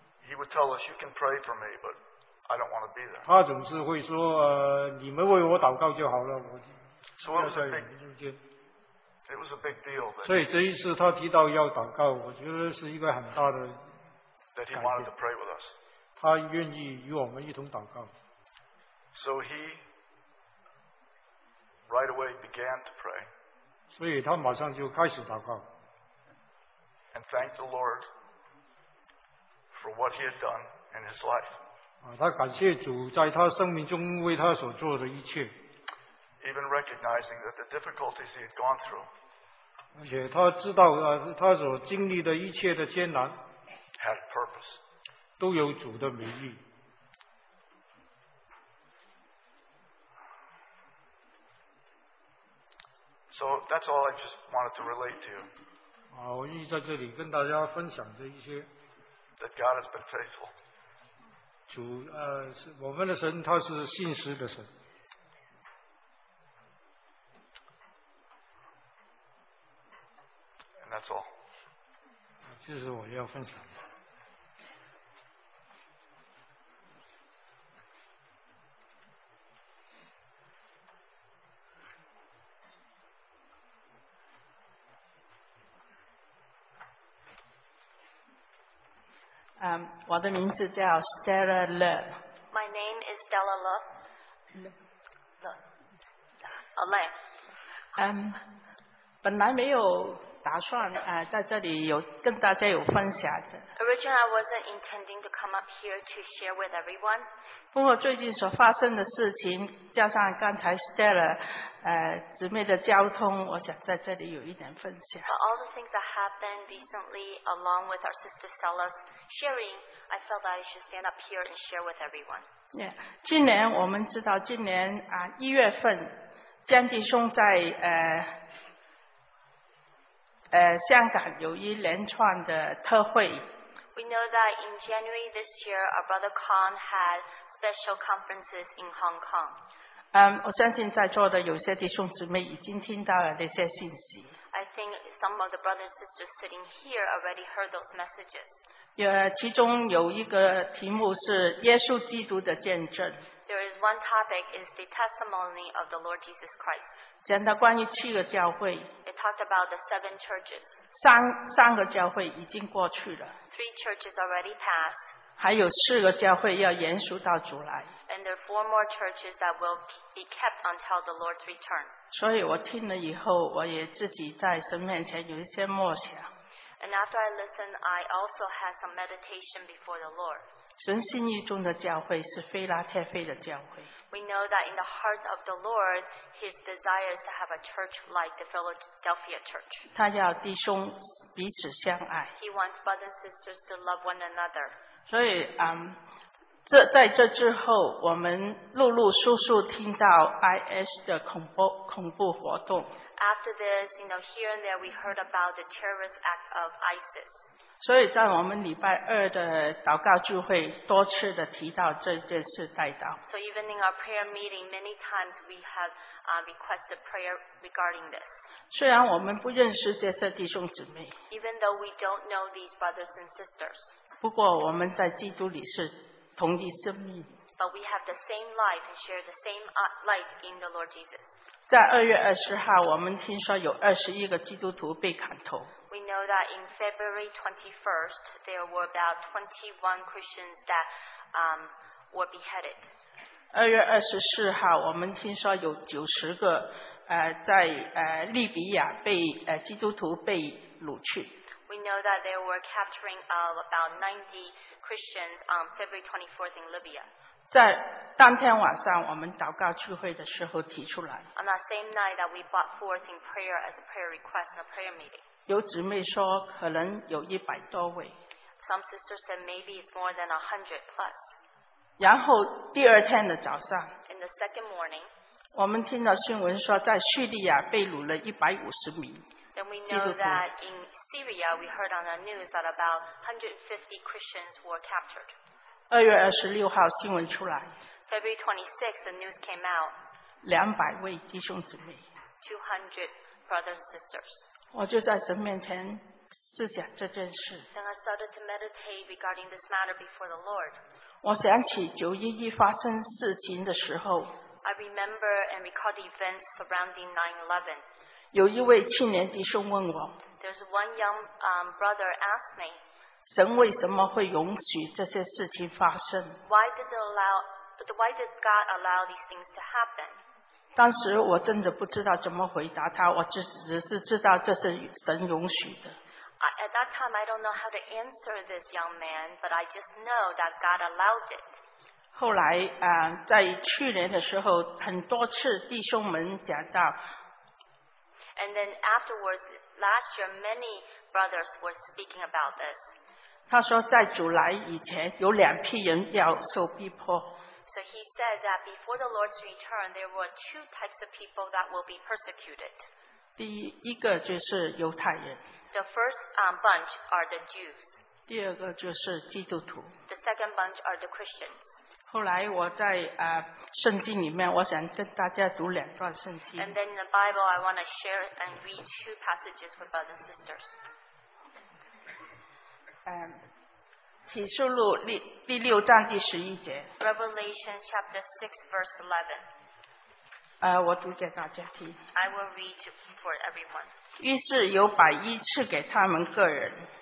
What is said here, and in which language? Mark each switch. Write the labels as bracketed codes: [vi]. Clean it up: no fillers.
[en] He would tell us, you can pray for me, but I don't want to be there. [zh] 他总是会说，你们为我祷告就好了，我不要在你们中间。 [en] It was a big deal. [zh] 所以这一次他提到要祷告，我觉得是一个很大的改变。 [en] That he wanted to pray with us. [zh] 他愿意与我们一同祷告。 [en] So he right away began to pray. [zh] 所以他马上就开始祷告。 [en] And thank the Lord for what he had done in his life. [zh] 他感谢主在他生命中为他所做的一切。 [en] Even recognizing that the difficulties he had gone through. [zh] 而且他知道他所经历的一切的艰难。 [en] Had purpose. [zh] 都有主的美意。 [en] So that's all I just wanted to relate to you. [zh] 我愿意在这里跟大家分享这一些。 [en] That God has been faithful. [zh] 主，是我们的神，他是信实的神。 [en] And that's all. [zh] 这是我要分享的。我的名字叫 Stella Le. [en] My name is Stella Le. Le. [zh] 本来没有打算在这里有跟大家有分享的。 [en] Originally, I wasn't intending to come up here to share with everyone. [zh] 不过最近所发生的事情，加上刚才 Stella 姊妹的交通，我想在这里有一点分享。 [en] But all the things that happened recently, along with our sister Stella's sharing, I felt that I should stand up here and share with everyone. [zh] Yeah, 今年我们知道，今年一月份，江弟兄在香港有一连串的特会。 [en] We know that in January this year, our brother Khan had special conferences in Hong Kong. [zh] 我相信在座的有些弟兄姊妹已经听到了那些信息。 [en] I think some of the brothers and sisters sitting here already heard those messages. [zh] 其中有一个题目是耶稣基督的见证。 [en] There is one topic, is the testimony of the Lord Jesus Christ. [zh] 讲到关于七个教会。 [en] It talked about the seven churches. [zh] 三个教会已经过去了。 [en] Three churches already passed. [zh] 还有四个教会要延续到主来。 [en] And there are four more churches that will be kept until the Lord's return. [zh] 所以我听了以后，我也自己在神面前有一些默想。 [en] And after I listened, I also had some meditation before the Lord. [zh] 神心意中的教会是腓拉特菲的教会。 [en] We know that in the heart of the Lord, His desire is to have a church like the Philadelphia church. [zh] 他要弟兄彼此相爱。 [en] He wants brothers and sisters to love one another. [zh] 所以，在这之后，我们陆陆续续听到 IS 的恐怖活动。 [en] After this, you know, here and there, we heard about the terrorist act of ISIS. [zh] 所以在我们礼拜二的祷告聚会，多次的提到这件事带到。 [en] So even in our prayer meeting, many times we have requested prayer regarding this. [zh] 虽然我们不认识这些弟兄姊妹。 [en] Even though we don't know these brothers and sisters. [zh] 不过我们在基督里是同一生命。 [en] But we have the same life and share the same life in the Lord Jesus. [zh] 在2月20号我们听说有21个基督徒被砍头。 [en] We know that in February 21st, there were about 21 Christians that were beheaded. [zh] 2月24号我们听说有90个在利比亚被基督徒被掳去。 [en] We know that there were capturing of about 90 Christians on February 24th in Libya. [zh] 在当天晚上我们祷告聚会的时候提出来。 [en] On that same night that we brought forth in prayer as a prayer request in a prayer meeting. [zh] 有姊妹说可能有100多位。 [en] Some sisters said maybe it's more than 100 plus. [zh] 然后第二天的早上, [en] In the second morning, [zh] 我们听到新闻说在叙利亚被掳了150名, [en] then we know that in Syria, we heard on the news that about 150 Christians were captured. [zh] 2月26号, 新闻出来, [en] February 26th, the news came out. [zh] 200位弟兄姊妹, [en] 200 brothers and sisters. [zh] 我就在神面前, [en] Then I started to meditate regarding this matter before the Lord. I remember and recall the events surrounding 9/11. [zh] 有一位青年弟兄问我, [en] There's one young brother asked me, [zh] 神为什么会允许这些事情发生? [en] Why did God allow these things to happen? [zh] 当时我真的不知道怎么回答他, 我只是知道这是神允许的。 [en] At that time, I don't know how to answer this young man, but I just know that God allowed it. [zh] 后来, 在去年的时候, 很多次弟兄们讲到, [en] and then afterwards, last year, many brothers were speaking about this. [zh] 他说在主来以前, [en] so he said that before the Lord's return, there were two types of people that will be persecuted. [zh] 第一个就是犹太人。 [en] The first bunch are the Jews. [zh] 第二个就是基督徒。 [en] The second bunch are the Christians. [zh] 后来我在, 圣经里面, 我想跟大家读两段圣经。 [en] And then in the Bible, I want to share and read two passages with brothers and sisters. [zh] 启示录第六章第十一节。 [en] Revelation chapter 6, verse 11. [zh] 我读给大家听。 [en] I will read for everyone. [zh] 于是有白衣赐给他们个人。